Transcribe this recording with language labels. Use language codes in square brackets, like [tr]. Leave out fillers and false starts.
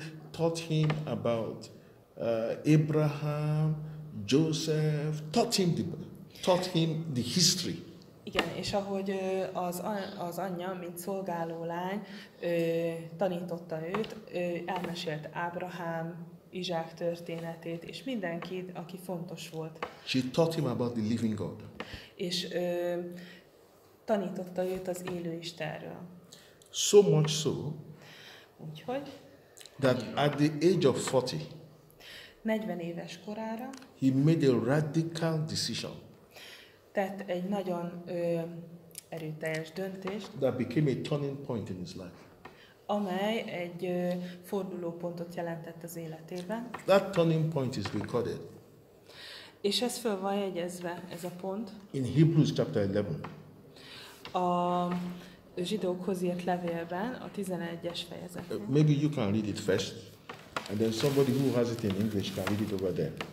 [en] Taught him about Abraham, Joseph, taught him the history. [hu] Igen, és ahogy az anyja, mint szolgáló lány, tanította őt, elmesélt Ábrahám, Izsák történetét, és mindenkit, aki fontos volt. [en] She taught him about the living God. [hu] És tanította őt az élő Istenről. [en] So much so, [hu] úgyhogy, [en] that at the age of 40, [hu] 40 éves korára, [en] he made a radical decision. [hu] Tett egy nagyon erőteljes döntést. [en] That became a turning point in his life. [hu] Amely egy fordulópontot jelentett az életében. [en] That turning point is recorded. [hu] És ez föl van jegyezve, ez a pont. [en] In Hebrews chapter 11. [hu] A zsidókhoz írt levélben, a 11-es fejezetben. [en] Maybe you can read it first, and then somebody who has it in English can read it over there.